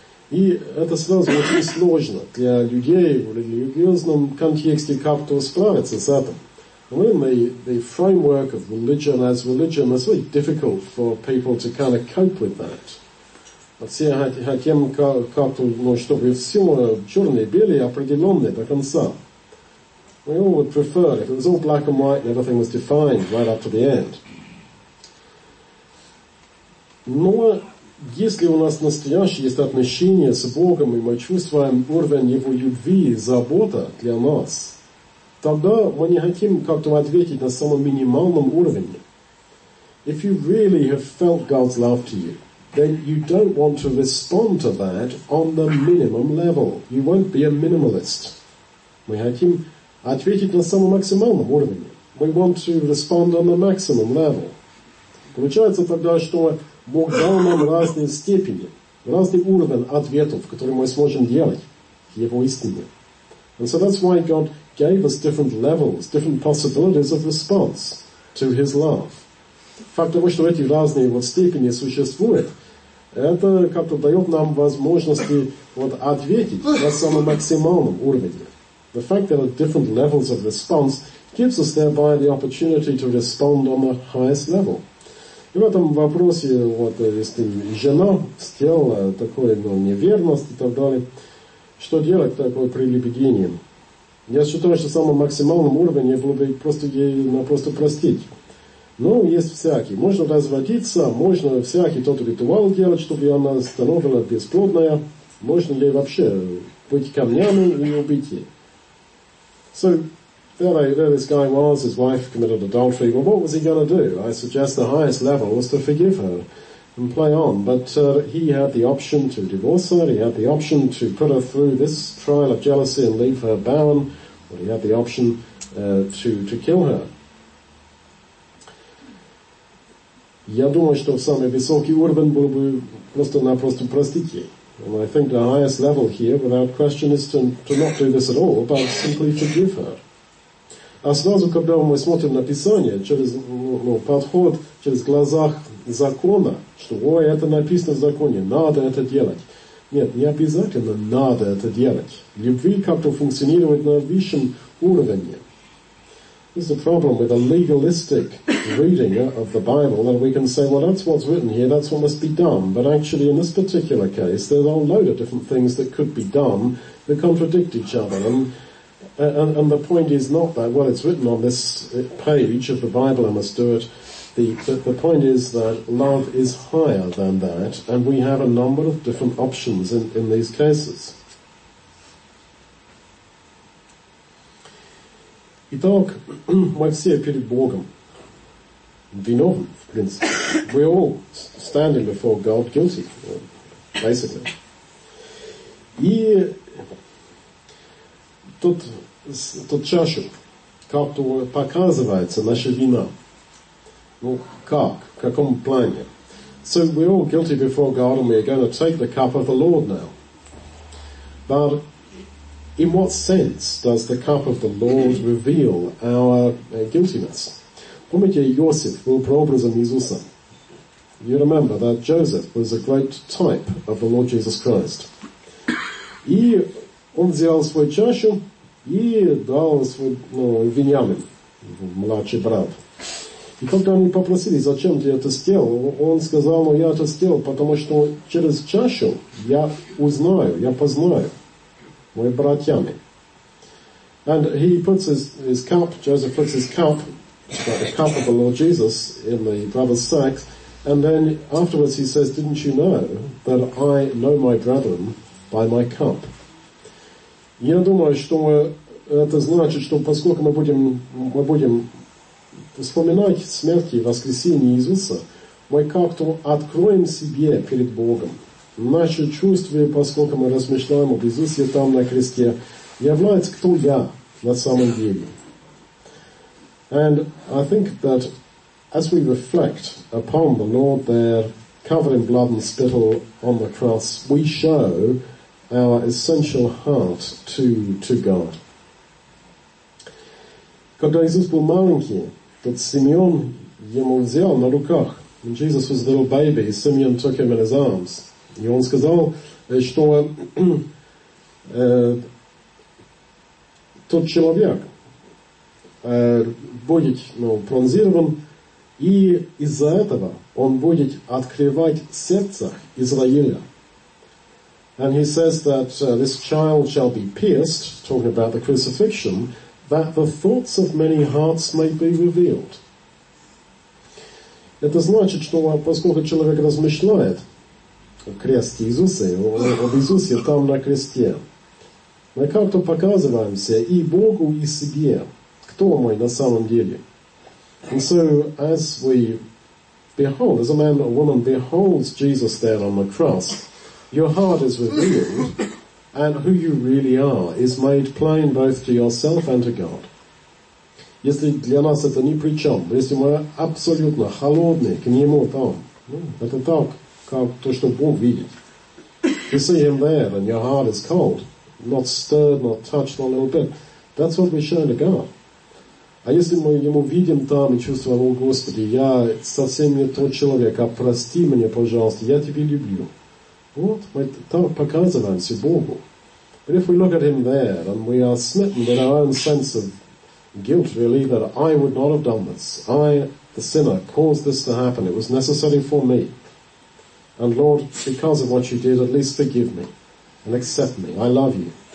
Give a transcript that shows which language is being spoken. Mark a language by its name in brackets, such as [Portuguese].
[Russian] И это сразу очень сложно для людей в религиозном контексте как-то справиться с этим. [English] Within the framework of religion as religion, it's really difficult for people to kind of cope with that. [Russian] Все хотим как-то, ну, чтобы все черные, белые, определенные до конца. [English] We all would prefer if it was all black and white and everything was defined right up to the end. [Russian] Но если у нас настоящее есть отношение с Богом, и мы чувствуем уровень Его любви и забота для нас, тогда мы не хотим как-то ответить на самом минимальном уровне. [English] If you really have felt God's love to you, then you don't want to respond to that on the minimum level. You won't be a minimalist. [Russian] Мы хотим ответить на самом максимальном уровне. [English] We want to respond on the maximum level. [Russian] Получается тогда, что Бог дал нам разные степени, разный уровень ответов, которые мы сможем делать к Его истине. [English] And so that's why God gave us different levels, different possibilities of response to His love. [Russian] Факт того, что эти разные вот степени существуют, это как-то дает нам возможности вот ответить на самом максимальном уровне. [English] The fact that there are different levels of response gives us thereby the opportunity to respond on the highest level. [Russian] И в этом вопросе, вот, если жена сделала такую, ну, неверность и так далее, что делать такое прелюбодеянием? Я считаю, что самым максимальным уровнем было бы просто ей, ну, просто простить. Ну, есть всякие. Можно разводиться, можно всякий тот ритуал делать, чтобы она становилась бесплодная. Можно ли вообще быть камнями и убить ей? [English] So, there this guy was, his wife committed adultery. Well, what was he going to do? I suggest the highest level was to forgive her and play on. But he had the option to divorce her. He had the option to put her through this trial of jealousy and leave her barren. Or he had the option to kill her. [Russian] Я думаю, что самый высокий уровень был бы просто-напросто простить ей. [English] And I think the highest level here, without question, is to not do this at all, but simply forgive her. [Russian] А сразу, когда мы смотрим на Писание, через, ну, подход, через глаза закона, что, ой, это написано в законе, надо это делать. Нет, не обязательно надо это делать. Любви как-то функционирует на высшем уровне. [English] This is the problem with a legalistic reading of the Bible, that we can say, well, that's what's written here, that's what must be done. But actually, in this particular case, there's a load of different things that could be done that contradict each other. And the point is not that, well, it's written on this page of the Bible, I must do it. The point is that love is higher than that, and we have a number of different options in these cases. [Russian] Итак, мы все перед Богом виновны, в принципе. [English] We all standing before God guilty, basically. [Russian] И тут чашу как-то показывается наша вина. Ну, как? В каком плане? [English] So we're all guilty before God and we're going to take the cup of the Lord now. But in what sense does the cup of the Lord reveal our guiltiness? [Russian] Помните, Иосиф был прообразом Иисуса. [English] You remember that Joseph was a great type of the Lord Jesus Christ. [Russian] И он взял свою чашу и дал свой, ну, Вениамин, младший брат. И когда они попросили, зачем ты это сделал, он сказал, ну, я это сделал, потому что через чашу я узнаю, я познаю. Мы братьями. [English] And he puts his cup, Joseph puts his cup, the cup of the Lord Jesus, in the brother's sack, and then afterwards he says, didn't you know that I know my brethren by my cup? [Russian] Я думаю, что это значит, что поскольку мы будем вспоминать смерть и воскресение Иисуса, мы как-то откроем себе перед Богом. Наши чувства, поскольку мы размышляем об Иисусе там на кресте, является, кто я на самом деле. [English] And I think that as we reflect upon the Lord there, covered in blood and spittle on the cross, we show our essential heart to God. [Russian] Когда Иисус был маленький, тот Симеон ему взял на руках. [English] When Jesus was a little baby, Simeon took him in his arms. [Russian] И он сказал, что тот человек будет, ну, пронзирован, и из-за этого он будет открывать сердце Израиля. [English] And he says that this child shall be pierced, talking about the crucifixion, that the thoughts of many hearts may be revealed. [Russian] Это значит, что поскольку человек размышляет, крест Иисуса, об Иисусе там на кресте. Мы как-то показываемся и Богу, и себе, кто мы на самом деле. [English] And so as we behold, as a man or woman beholds Jesus there on the cross, your heart is revealed, and who you really are is made plain both to yourself and to God. [Russian] Если для нас это ни при чем, если мы абсолютно холодны к Нему там, ну, это так, как то, что Бог видит. [English] You see Him there, and your heart is cold, not stirred, not touched, not a little bit. That's what we show to God. [Russian] А если мы Ему видим там и чувствуем, о Господи, я совсем не тот человек, а прости меня, пожалуйста, я Тебя люблю. Вот, мы там показываемся Богу. [English] But if we look at Him there, and we are smitten with our own sense of guilt, really, that I would not have done this. I, the sinner, caused this to happen. It was necessary for me. And Lord, because of what you did, at least forgive me and accept me. I love you.